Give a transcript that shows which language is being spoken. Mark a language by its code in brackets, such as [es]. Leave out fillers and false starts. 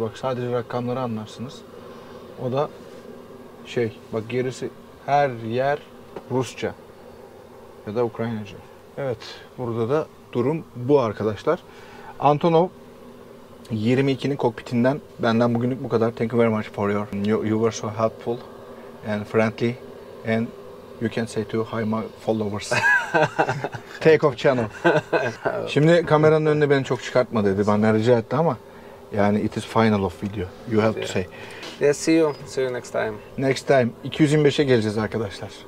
[tr] Bak sadece rakamları anlarsınız. O da şey, bak gerisi her yer Rusça ya da Ukraynaca. Evet, burada da durum bu arkadaşlar. Antonov 22'nin kokpitinden benden bugünlük bu kadar. [en] Thank you very much for your you were so helpful and friendly and you can say to hi my followers. Take off channel. [tr] Şimdi kameranın önüne beni çok çıkartma dedi. Bana rica etti ama yani [en] it is final of video. You have to say. Yes, see you. See you next time. [tr] Next time 225'e geleceğiz arkadaşlar.